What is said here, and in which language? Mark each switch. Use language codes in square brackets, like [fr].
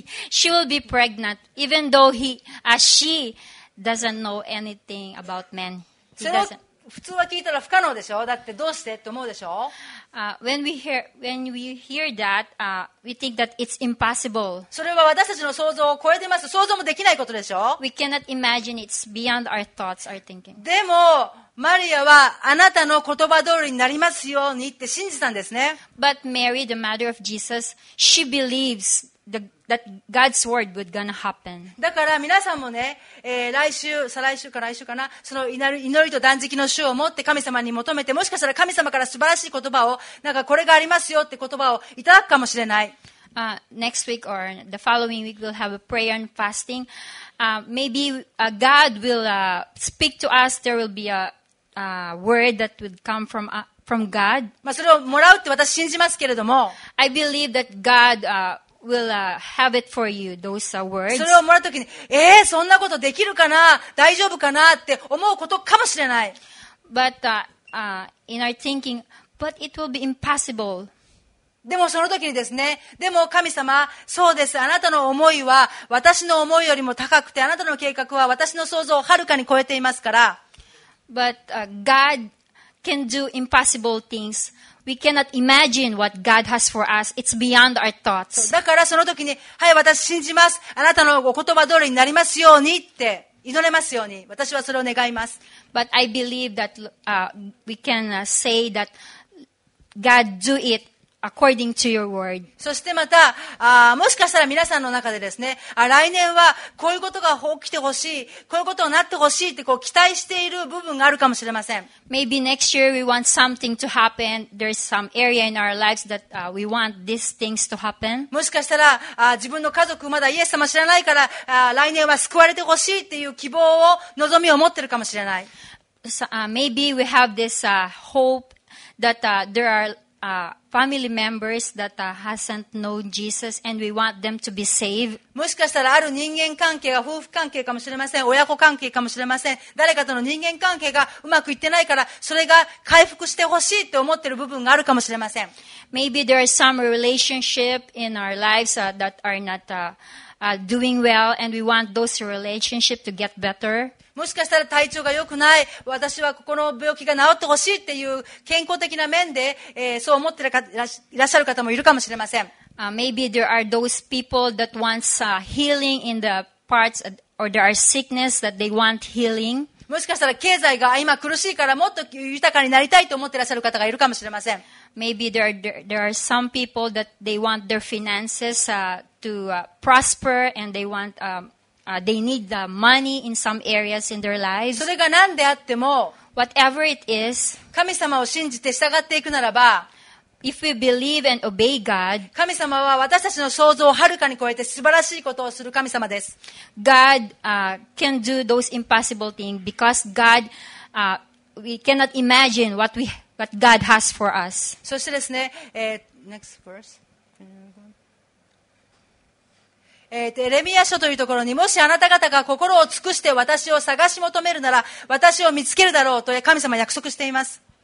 [en] She will be pregnant, even though she doesn't know anything about men. [ja] それは普通は聞いたら不可能でしょ。だってどうしてって思うでしょ。 [en] When we hear that, we think that it's impossible. [ja] それは私たちの想像を超えてます。想像もできないことでしょ。 [en] We cannot imagine it's beyond our thoughts, our thinking. [ja] でも、マリアはあなたの言葉通りになりますようにって信じたんですね。 [en] But Mary, the mother of Jesus, she believes that God's word would gonna happen. [ja] だから皆さんもね、来週、再来週か来週かな、その祈りと断食の主を持って神様に求めて、もしかしたら神様から素晴らしい言葉を、なんかこれがありますよって言葉をいただくかもしれない。 [en] Next week or the following week we'll have a prayer and fasting. Maybe God will speak to us. There will be a word that would come from God. [ja] まあそれをもらうって私信じますけれども。 [en] I believe that God will have it for you, those are words. [ja] それをもらうときに、そんなことできるかな、大丈夫かなって思うことかもしれない。 [en] But in our thinking, but it will be impossible. [ja] でもそのときにですね、でも神様、そうです、あなたの思いは私の思いよりも高くて、あなたの計画は私の想像をはるかに超えていますから。 [en] But God can do impossible things. We cannot imagine what God has for us. It's beyond our thoughts. [ja] だからその時に、はい、私信じます。あなたのお言葉通りになりますようにって祈れますように。私はそれを願います。 [en] But I believe that we can say that God do it according to your word. [ja] そしてまた、もしかしたら皆さんの中でですね、来年はこういうことが起きてほしい、こういうことになってほしいってこう期待している部分があるかもしれません。 [en] Maybe next year we want something to happen. There's some area in our lives that we want these things to happen. [ja] もしかしたら、自分の家族まだイエス様知らないから、来年は救われてほしいっていう希望を、望みを持ってるかもしれない。 [en] So, maybe we have this hope that there are family members that hasn't known Jesus and we want them to be saved. [ja] もしかしたらある人間関係が夫婦関係かもしれません。親子関係かもしれません。誰かとの人間関係がうまくいってないから、それが回復してほしいって思ってる部分があるかもしれません。 [en] Maybe there are some relationship in our lives that are not doing well and we want those relationship to get better. [ja] もしかしたら体調が良くない、私はここの病気が治ってほしいっていう健康的な面で、そう思っていらっしゃる方もいるかもしれません。 [en] Maybe there are those people that wants healing in the parts or there are sickness that they want healing. [ja] もしかしたら経済が今苦しいからもっと豊かになりたいと思っていらっしゃる方がいるかもしれません。 [en] Maybe there are some people that they want their finances to prosper and they want they need the money in some areas in their lives. [ja] それが何であっても、 [en] whatever it is, [ja] 神様を信じて従っていくならば、 [en] if we believe and obey God, [ja] 神様は私たちの想像をはるかに超えて素晴らしいことをする神様です。 [en] God can do those impossible things because God we cannot imagine what God has for us. [ja] そしてですね、 [en] next verse. [ja] エレミヤ書というところに、もしあなた方が心を尽くして私を探し求めるなら、私を見つけるだろうと神様約束しています。